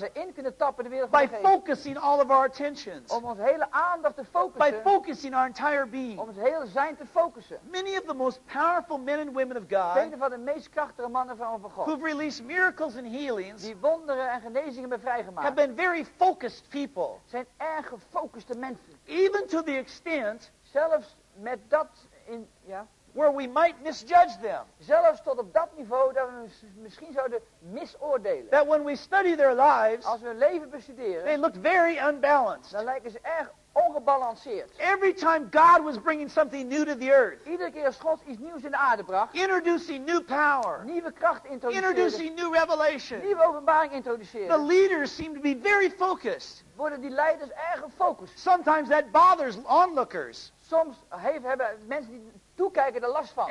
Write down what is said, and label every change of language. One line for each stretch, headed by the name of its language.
Dutch: Dat we in kunnen tappen in de wereld van
English: by
Dutch: de Geest.
English: Focusing all of our attentions.
Dutch: Om ons hele aandacht te focussen.
English: By focusing our entire being.
Dutch: Om ons hele zijn te focussen.
English: Many of the most powerful men and women of God.
Dutch: Vele van de meest krachtige mannen van God.
English: Who've released miracles and healings.
Dutch: Die wonderen en genezingen hebben vrijgemaakt.
English: Have been very focused people.
Dutch: Zijn erg gefocuste mensen.
English: Even to the extent.
Dutch: Zelfs met dat in, ja.
English: Where we might misjudge them.
Dutch: Zelfs tot op dat niveau dat we misschien zouden misoordelen.
English: That when we study their lives,
Dutch: als we hun leven bestuderen,
English: they looked very unbalanced.
Dutch: Dan lijken ze erg ongebalanceerd.
English: Every time God was bringing something new to the earth.
Dutch: Iedere keer als God iets nieuws in de aarde bracht.
English: Introducing new power.
Dutch: Nieuwe kracht introduceren.
English: Introducing new revelation.
Dutch: Nieuwe openbaring introduceren.
English: The leaders seemed to be very focused.
Dutch: Worden die leiders erg gefocust.
English: Sometimes that bothers onlookers.
Dutch: Soms hebben mensen die toekijken er last van.